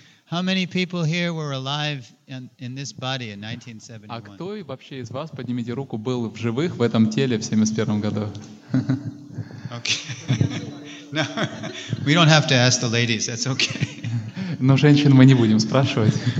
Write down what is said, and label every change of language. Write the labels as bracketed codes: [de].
[en] How many people here were alive in this body in 1971? [ru] А кто вообще из вас, поднимите руку, был в живых в этом теле в 71 году? [en] Okay. No, we don't have to ask the ladies, that's okay. [ru] Но женщин мы не будем спрашивать.